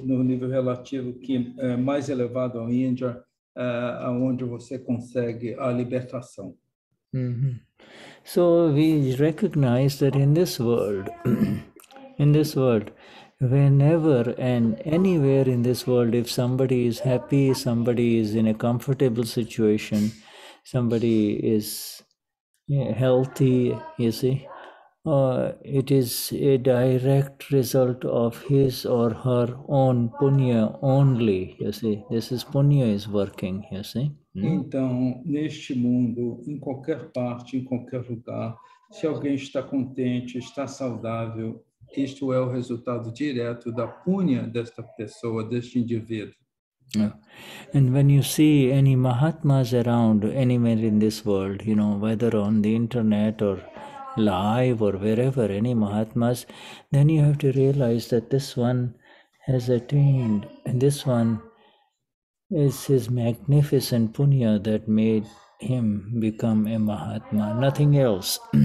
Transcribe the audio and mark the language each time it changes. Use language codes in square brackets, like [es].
[pt] No nível relativo que é mais elevado ao Índia, onde você consegue a libertação. [en] So we recognize that in this world, whenever and anywhere in this world, if somebody is happy, somebody is in a comfortable situation, somebody is healthy, you see, it is a direct result of his or her own punya only, you see. This is punya is working, you see. [pt] Então, neste mundo, em qualquer parte, em qualquer lugar, se alguém está contente, está saudável, isto é o resultado direto da punha desta pessoa, deste indivíduo. [en] And when you see any Mahatmas around anywhere in this world, whether on the internet or live or wherever, any Mahatmas, then you have to realize that this one has attained, and this one is his magnificent punya that made him become a Mahatma. Nothing else.